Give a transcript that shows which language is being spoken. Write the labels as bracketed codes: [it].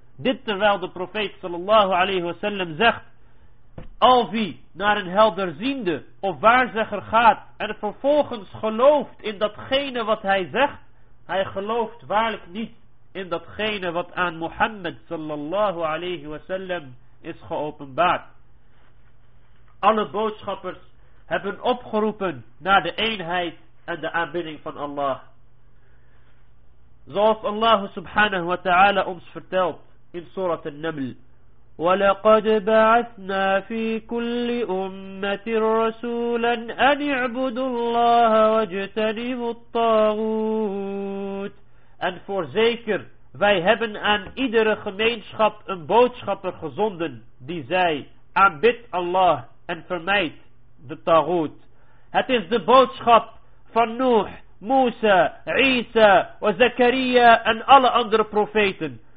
[nl] Dit terwijl de profeet sallallahu alayhi wa sallam zegt: al wie naar een helderziende of waarzegger gaat en vervolgens gelooft in datgene wat hij zegt, hij gelooft waarlijk niet in datgene wat aan Mohammed sallallahu alayhi wa sallam is geopenbaard. Alle boodschappers hebben opgeroepen naar de eenheid en de aanbidding van Allah. Zoals Allah subhanahu wa ta'ala ons vertelt in Surat An-Naml: [ar] وَلَقَدْ بَعَثْنَا فِي كُلِّ أُمَّةٍ رَسُولًا أَنْ اِعْبُدُوا اللَّهَ وَاجْتَنِبُوا الطَّاغُوتَ. [nl] En voorzeker, wij hebben aan iedere gemeenschap een boodschapper gezonden die zei: aanbid Allah en vermijd de taghut. Het is de boodschap van Nuh, Musa, Isa, Zakaria en alle andere profeten.